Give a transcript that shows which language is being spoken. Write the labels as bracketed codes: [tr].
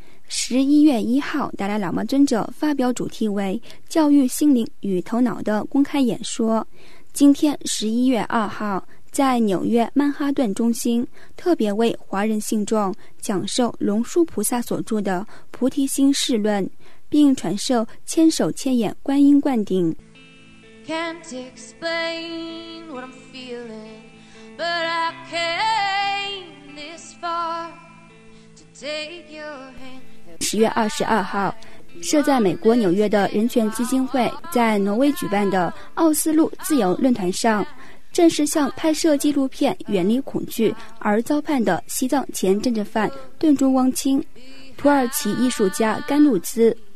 [zh] 11月1号，达赖喇嘛尊者发表主题为《教育心灵与头脑》的公开演说。今天11月2号，在纽约曼哈顿中心特别为华人信众讲授龙树菩萨所著的《菩提心释论》，并传授千手千眼观音灌顶。 [en] Can't explain what I'm feeling, but I came this far to take your hand. [zh] 10月22号，设在美国纽约的人权基金会在挪威举办的奥斯陆自由论坛上，正式向拍摄纪录片《远离恐惧》而遭判的西藏前政治犯顿珠汪清、土耳其艺术家甘露兹、